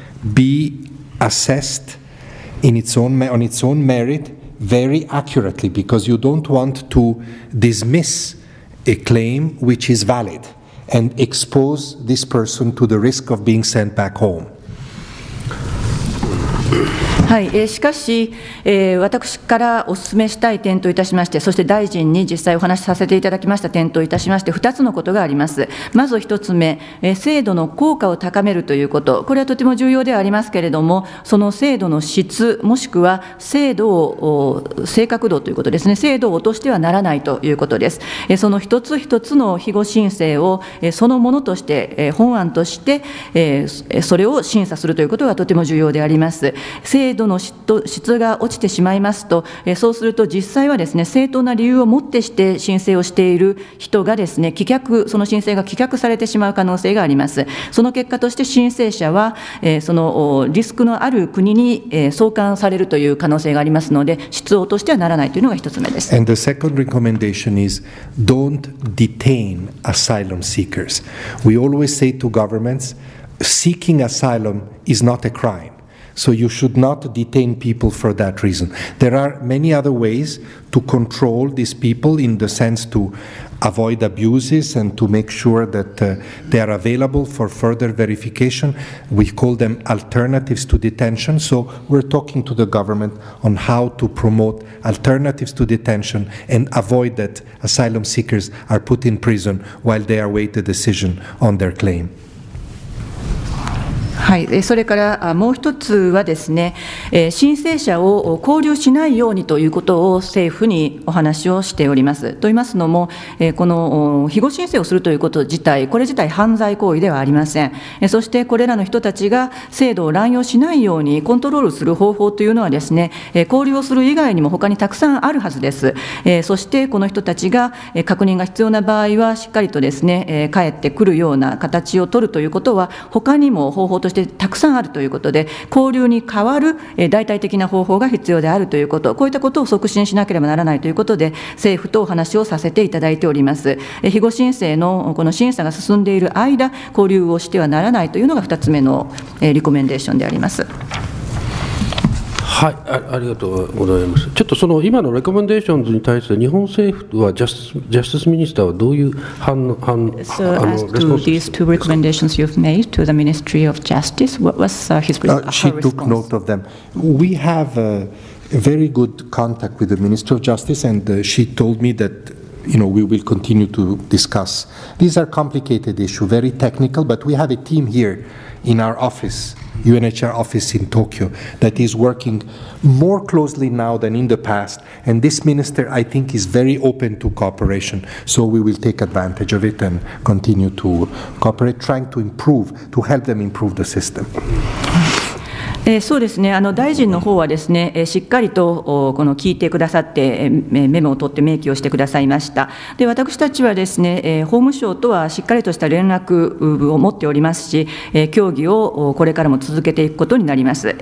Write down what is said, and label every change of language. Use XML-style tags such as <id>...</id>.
<en>be assessed in its own, on its own merit very accurately, because you don't want to dismiss a claim which is valid and expose this person to the risk of being sent back home.</en> <ja>はい、しかし、私からお勧めしたい点といたしまして、そして大臣に実際お話しさせていただきました点といたしまして、2つのことがあります。まず1つ目、制度の効果を高めるということ、これはとても重要ではありますけれども、その制度の質、もしくは制度を正確度ということですね、制度を落としてはならないということです。その一つ一つの庇護申請を、そのものとして、本案として、それを審査するということがとても重要であります。制度の質が落ちてしまいますと、そうすると実際はですね、正当な理由をもってして申請をしている人がですね、棄却、その申請が棄却されてしまう可能性があります。その結果として申請者は、そのリスクのある国に送還されるという可能性がありますので、質を落としてはならないというのが一つ目です。</ja> <en>And the second recommendation is don't detain asylum seekers. We always say to governments, seeking asylum is not a crime. So you should not detain people for that reason. There are many other ways to control these people in the sense to avoid abuses and to make sure that they are available for further verification. We call them alternatives to detention. So we're talking to the government on how to promote alternatives to detention and avoid that asylum seekers are put in prison while they await a decision on their claim.</en> <ja>はい、それからもう一つはですね、申請者を拘留しないようにということを政府にお話をしております。と言いますのも、この庇護申請をするということ自体、これ自体犯罪行為ではありません。そしてこれらの人たちが制度を乱用しないようにコントロールする方法というのはですね、拘留をする以外にも他にたくさんあるはずです。そしてこの人たちが確認が必要な場合はしっかりとですね、帰ってくるような形を取るということは他にも方法としてたくさんあるということで、交流に代わる代替的な方法が必要であるということ、こういったことを促進しなければならないということで、政府とお話をさせていただいております。庇護申請のこの審査が進んでいる間、交流をしてはならないというのが2つ目のリコメンデーションであります。はい、ありがとうございます。ちょっとその今のレコメンデーションズに対して、日本政府はジャスティスミニスターはどういう反応、</ja> <en>So as to these two recommendations you've made to the Ministry of Justice, what was his response? She took note of them. We have a very good contact with the Ministry of Justice, and she told me that, you know, we will continue to discuss. These are complicated issues, very technical, but we have a team here in our office. UNHCR office in Tokyo that is working more closely now than in the past, and this minister I think is very open to cooperation, so we will take advantage of it and continue to cooperate, trying to improve, to help them improve the system.</en> <ja>そうですね、大臣の方はですね、しっかりとこの聞いてくださって、メモを取って明記をしてくださいました。で、私たちはですね、法務省とはしっかりとした連絡を持っておりますし、協議をこれからも続けていくことになります。</ja>